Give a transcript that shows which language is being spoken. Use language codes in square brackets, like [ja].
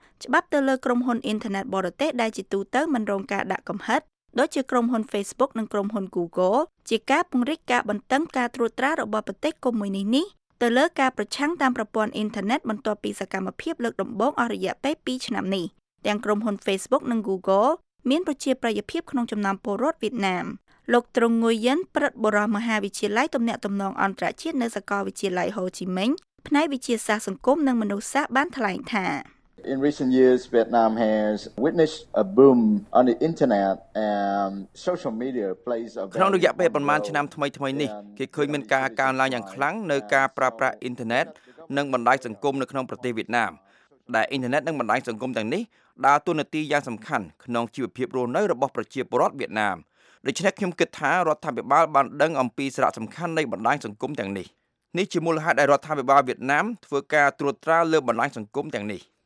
[km] ច្បាប់ទៅលើក្រុមហ៊ុនអ៊ីនធឺណិតបរទេសដែលជាទូទៅមិនរងការដាក់កំហិតដូចជាក្រុមហ៊ុន Facebook និងក្រុមហ៊ុន Google ជាការពង្រីកការបន្តឹងការត្រួតត្រារបស់ប្រទេសកុំមួយនេះនេះទៅលើការប្រឆាំងតាមប្រព័ន្ធអ៊ីនធឺណិតបន្ទាប់ពីសកម្មភាពលើកដំបូងអស់រយៈពេល2ឆ្នាំនេះទាំងក្រុមហ៊ុន Facebook និង Google មានប្រជាប្រិយភាពក្នុងចំណោមពលរដ្ឋវៀតណាមលោកត្រុងងុយយិនប្រធានបរិមហាវិទ្យាល័យទំនាក់ទំនងអន្តរជាតិនៅសាកលវិទ្យាល័យហូជីមិញផ្នែកវិទ្យាសាស្ត្រសង្គមនិងមនុស្សសាស្ត្របានថ្លែងថា [en] In recent years Vietnam has witnessed a boom on the internet and social media plays a very [km] ក្នុងរយៈពេលប៉ុន្មានឆ្នាំថ្មីៗនេះគេឃើញមានការកើនឡើងយ៉ាងខ្លាំងនៅការប្រើប្រាស់អ៊ីនធឺណិតនិងបណ្ដាញសង្គមនៅក្នុងប្រទេសវៀតណាមដែលអ៊ីនធឺណិតនិងបណ្ដាញសង្គមទាំងនេះដើរតួនាទីយ៉ាងសំខាន់ក្នុងជីវភាពរស់នៅរបស់ប្រជាពលរដ្ឋវៀតណាម ដូច្នេះខ្ញុំគិតថារដ្ឋាភិបាលបានដឹងអំពីសារៈសំខាន់នៃបណ្ដាញសង្គមទាំងនេះនេះជាមូលហេតុដែលរដ្ឋាភិបាលវៀតណាមធ្វើការត្រួតត្រាលើបណ្ដាញសង្គមទាំងនេះ